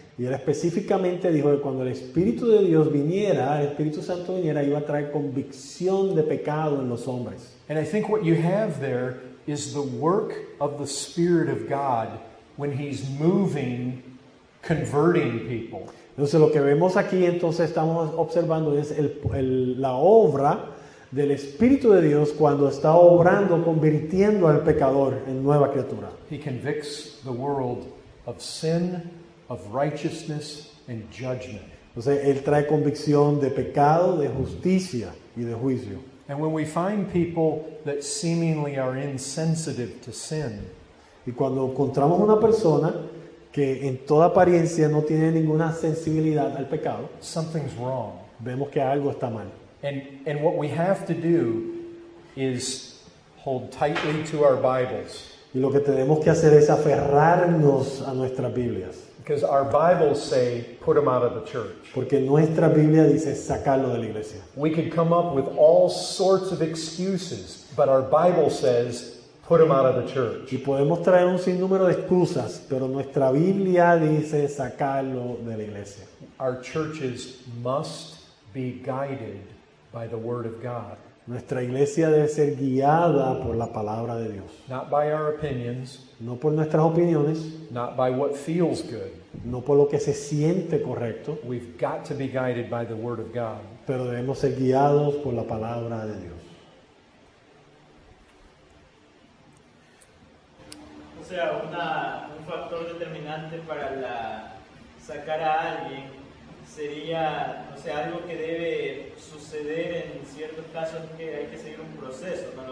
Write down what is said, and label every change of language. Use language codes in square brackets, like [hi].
[es] Y él específicamente dijo que cuando el Espíritu de Dios viniera, el Espíritu Santo viniera, iba a traer convicción de pecado en los hombres. [en] And I think what you have there is the work of the Spirit of God when he's moving, converting people. [es] Entonces, lo que vemos aquí, entonces, estamos observando es la obra del Espíritu de Dios cuando está obrando, convirtiendo al pecador en nueva criatura. [en] He convicts the world of sin, of righteousness, and judgment. [es] Entonces, él trae convicción de pecado, de justicia y de juicio. [en] And when we find people that seemingly are insensitive to sin, [es] Y cuando encontramos una persona que en toda apariencia no tiene ninguna sensibilidad al pecado, [en] something's wrong. [es] Vemos que algo está mal. [en] And what we have to do is hold tightly to our Bibles. [es] Y lo que tenemos que hacer es aferrarnos a nuestras Biblias. [en] Because our Bibles say, put them out of the church. [es] Porque nuestra Biblia dice, sacarlo de la iglesia. [en] We could come up with all sorts of excuses, but our Bible says, put them out of the church. [es] Y podemos traer un sinnúmero de excusas, pero nuestra Biblia dice, sacarlo de la iglesia. [en] Our churches must be guided by the Word of God. [es] Nuestra iglesia debe ser guiada por la palabra de Dios. [en] Not by our opinions, [es] no por nuestras opiniones. [en] Not by what feels good. [es] No por lo que se siente correcto. [en] We've got to be guided by the Word of God. [es] Pero debemos ser guiados por la palabra de Dios. O sea, un factor determinante para sacar a alguien sería, o sea, algo que debe suceder en ciertos casos, que hay que seguir un proceso, ¿no?